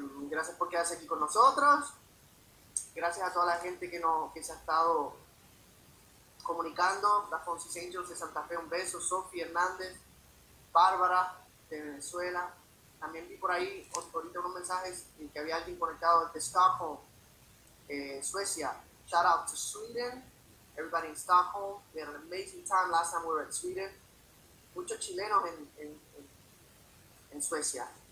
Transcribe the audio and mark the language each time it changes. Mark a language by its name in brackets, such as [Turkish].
[Spanish] Gracias por quedarse aquí con nosotros, gracias a toda la gente que se ha estado comunicando, la Fonsi Angels de Santa Fe, un beso, Sofía Hernández, Bárbara de Venezuela, también vi por ahí ahorita unos mensajes en que había alguien conectado desde Stockholm, Suecia, [English] shout out to Sweden. Everybody in Stockholm, we had an amazing time last time we were in Sweden. [Spanish] Muchos chilenos en Suecia.